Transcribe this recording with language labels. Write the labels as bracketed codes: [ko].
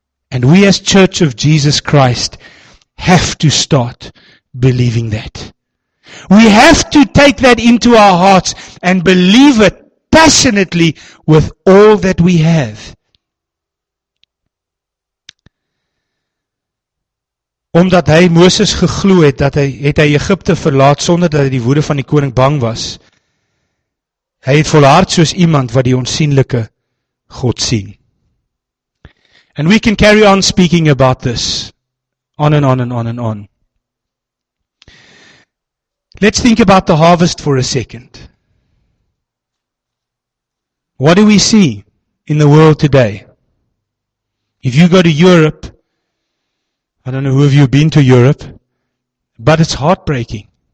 [en] And we as Church of Jesus Christ have to start believing that. We have to take that into our hearts and believe it passionately with all that we have. [af] Omdat hy Moses geglo het, dat hy het hy Egypte verlaat sonder dat hy die woede van die koning bang was. Hy het volhard soos iemand wat die onsienlike God sien. [en] And we can carry on speaking about this, on and on and on and on. Let's think about the harvest for a second. What do we see in the world today? If you go to Europe, I don't know who of you have been to Europe, but it's heartbreaking.